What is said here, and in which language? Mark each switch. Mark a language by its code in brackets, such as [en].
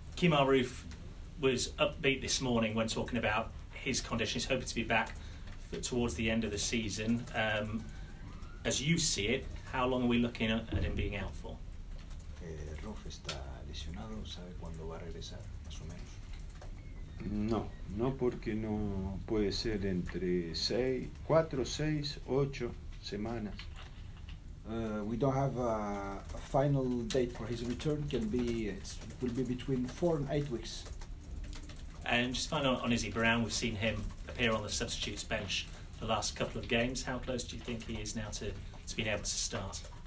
[en] Kemar Roofe was upbeat this morning when talking about his condition. He's hoping to be back towards the end of the season. As you see it, how long are we looking at him being out for? [es] Roofe está lesionado, ¿sabe cuándo va a regresar, más o menos? No, no, porque no puede ser entre 4, 6, 8 semanas. [en] We don't have a final date for his return. It will be between 4 and 8 weeks. And just finally on Izzy Brown, we've seen him appear on the substitutes bench the last couple of games. How close do you think he is now to being able to start?